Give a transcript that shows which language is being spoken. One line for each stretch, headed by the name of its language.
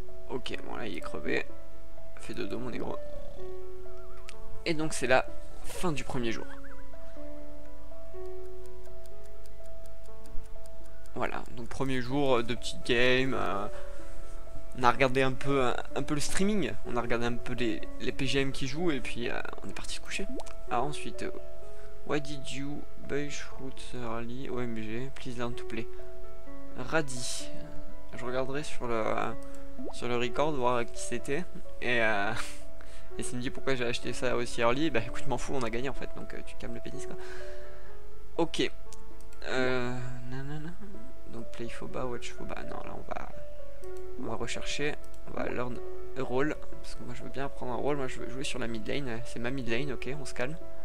French: Ok, bon là il est crevé. Fait dodo mon négro. Et donc c'est la fin du premier jour. Voilà, donc premier jour de petite game. On a regardé un peu le streaming. On a regardé un peu les PGM qui jouent et puis on est parti se coucher. Alors ensuite,
English: why did you bushroot early OMG? Please learn to play. Radi.
French: Je regarderai sur le record voir qui c'était. Et Cindy, pourquoi j'ai acheté ça aussi early? Bah écoute, m'en fous, on a gagné en fait. Donc tu calmes le pénis quoi. Ok. Nanana. Donc
English: play Phoba, watch Phoba,
French: non là on va rechercher, on va
English: learn a role,
French: parce que moi je veux bien prendre un rôle, moi je veux jouer sur la mid lane, c'est ma mid lane, ok on se calme.